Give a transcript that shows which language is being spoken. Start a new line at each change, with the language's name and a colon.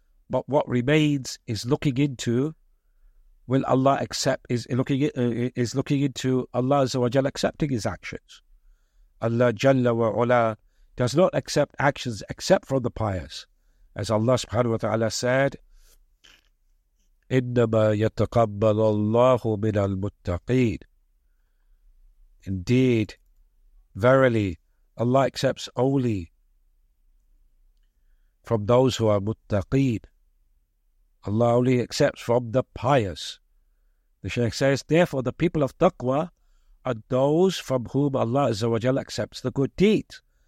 English: But what remains is looking into, will Allah accept, is looking into Allah Azza wa Jalla accepting his actions. Allah Jalla wa Ala does not accept actions except from the pious. As Allah subhanahu wa ta'ala said,
Arabic: إنما يتقبل الله من المتقين.
English: Indeed, verily, Allah accepts only from those who are muttaqeen. Allah only accepts from the pious. The Shaykh says, therefore, the people of taqwa are those from whom Allah Azza wa Jalla accepts the good deeds.